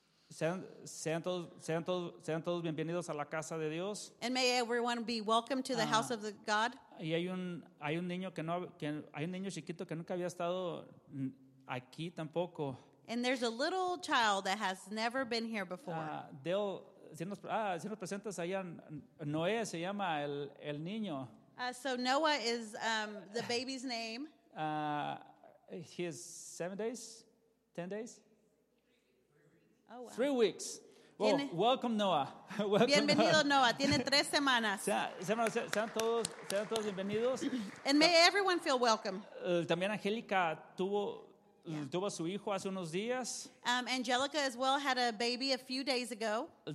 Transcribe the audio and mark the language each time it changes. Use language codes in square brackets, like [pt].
[es] Sean todos bienvenidos a la casa de Dios. [en] And may everyone be welcome to the house of the God. [es] Y hay un niño hay un niño chiquito que nunca había estado aquí tampoco. [en] And there's a little child that has never been here before. [es] Si nos presentas allá, Noé se llama el niño. [en] So Noah is the baby's name. He is 7 days, 10 days. Oh, wow. 3 weeks. Well, welcome Noah. [es] Bienvenido Noah. Tiene 3 semanas. Sean todos bienvenidos. [en] And may everyone feel welcome. [es] También Angélica tuvo su hijo hace unos días. [en] Angelica as well had a baby a few days ago.